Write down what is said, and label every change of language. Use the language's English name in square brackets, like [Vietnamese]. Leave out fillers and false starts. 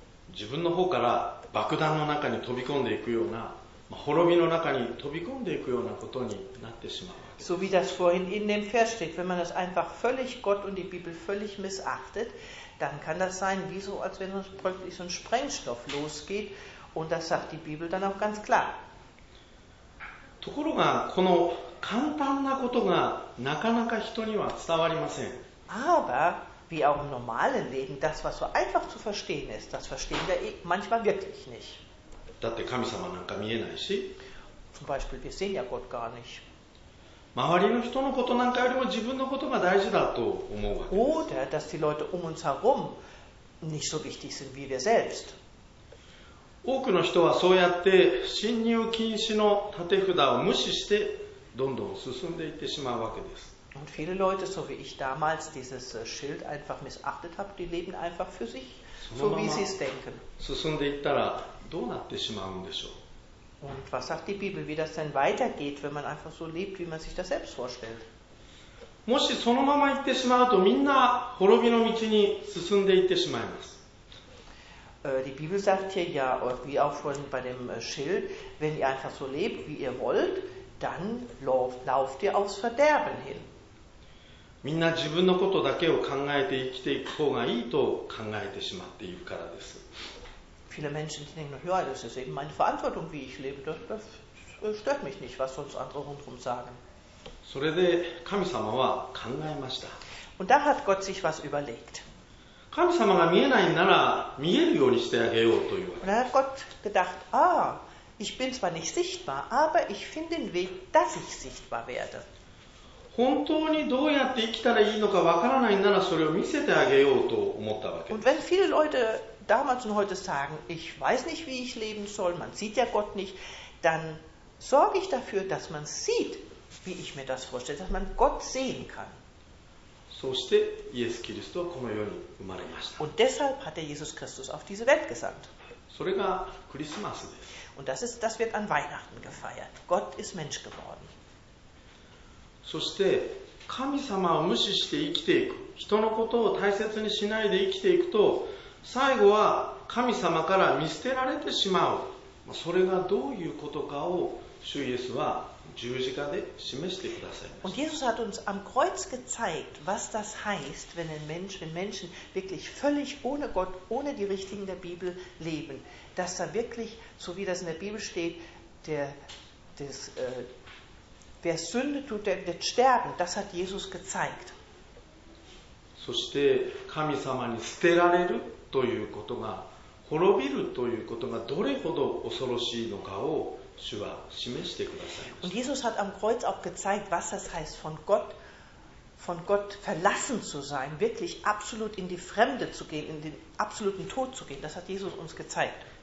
[Japanese] 自分の方から爆弾の中に飛び込んでいくような、滅びの中に飛び込んでいくようなことになってしまう。 [German] So wie das vorhin in dem Vers steht, wenn man das einfach völlig Gott und die Bibel völlig missachtet, dann kann das sein, wie so, als wenn so ein Sprengstoff losgeht. Und das sagt die Bibel dann auch ganz klar. [Japanese] ところが、この簡単なことがなかなか人には伝わりません。 [German] Aber, wie auch im normalen Leben, das, was so einfach zu verstehen ist, das verstehen wir manchmal wirklich nicht. [Japanese] だって神様なんか見えないし。 [German] Zum Beispiel, wir sehen ja Gott gar nicht. [Japanese] 周りの人のことなんかよりも自分のことが大事だと思うわけです。 [German] Oder, dass die Leute um uns herum nicht so wichtig sind wie wir selbst. [Japanese] 多くの人はそうやって進入禁止の立て札を無視してどんどん進んでいってしまうわけです。 [German] Und viele Leute, so wie ich damals dieses Schild einfach missachtet habe, die leben einfach für sich, so wie sie es denken. [Japanese] 進んでいったらどうなってしまうんでしょう。 [German] Und was sagt die Bibel, wie das denn weitergeht, wenn man einfach so lebt, wie man sich das selbst vorstellt? [Japanese] もしそのまま行ってしまうとみんな滅びの道に進んでいってしまいます。 [German] Die Bibel sagt hier ja, wie auch schon bei dem Schild, wenn ihr einfach so lebt, wie ihr wollt, dann lauft ihr aufs Verderben hin. [Japanese] みんな自分のことだけを考えて生きていく方がいいと考えてしまっているからです。 [German] Viele Menschen denken, ja, das ist eben meine Verantwortung, wie ich lebe, das stört mich nicht, was sonst andere rundherum sagen. [Japanese] それで神様は考えました。 [German] Und da hat Gott sich was überlegt. [Japanese] 神様が見えないなら見えるようにしてあげようというわけです。 [German] Gott gedacht, ah, ich bin zwar nicht sichtbar, aber ich finde den Weg, dass ich sichtbar werde. [Japanese] 本当にどうやって生きたらいいのかわからないならそれを見せてあげようと思ったわけです。 [German] Und wenn viele Leute damals und heute sagen, ich weiß nicht, wie ich leben soll, man sieht ja Gott nicht, dann sorge ich dafür, dass man sieht, wie ich mir das vorstelle, dass man Gott sehen kann. [Japanese] そしてイエス・キリストはこの世に生まれました。 [German] Und deshalb hat er Jesus Christus auf diese Welt gesandt. [Japanese] それがクリスマスです。 [German] Und das wird an Weihnachten gefeiert. Gott ist Mensch geworden. [Japanese] そして神様を無視して生きていく、人のことを大切にしないで生きていくと、最後は神様から見捨てられてしまう。それがどういうことかを主イエスは [German] Und Jesus hat uns am Kreuz gezeigt, was das heißt, wenn Menschen wirklich völlig ohne Gott, ohne die Richtigen der Bibel leben. Dass da wirklich, so wie das in der Bibel steht, wer Sünde tut, der wird sterben. Das hat Jesus gezeigt. [Japanese] そして神様に捨てられるということが、滅びるということがどれほど恐ろしいのかを主は示してくださいました。 [German] Und Jesus hat am Kreuz auch gezeigt, was das heißt, von Gott verlassen zu sein, wirklich absolut in die Fremde zu gehen, in den absoluten Tod zu gehen. Das hat Jesus uns gezeigt.